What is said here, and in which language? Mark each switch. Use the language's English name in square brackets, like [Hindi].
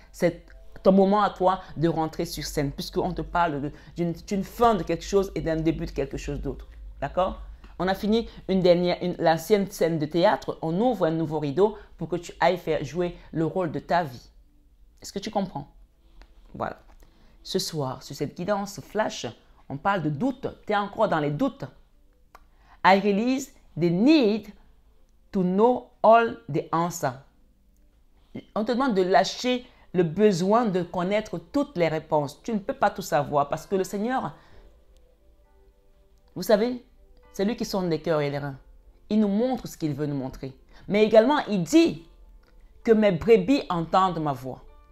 [French] C'est ton moment à toi de rentrer sur scène, puisqu'on te parle d'une fin de quelque chose et d'un début de quelque chose d'autre. D'accord? On a fini l'ancienne scène de théâtre. On ouvre un nouveau rideau pour que tu ailles faire jouer le rôle de ta vie. Est-ce que tu comprends? Voilà. Ce soir, sur cette guidance flash, on parle de doute. Tu es encore dans les doutes. [English] I release the need to know all the answers. [French] On te demande de lâcher le besoin de connaître toutes les réponses. Tu ne peux pas tout savoir parce que le Seigneur, vous savez, c'est lui qui sonde les cœurs et les reins. Il nous montre ce qu'il veut nous montrer. Mais également, il dit que mes brebis entendent ma voix.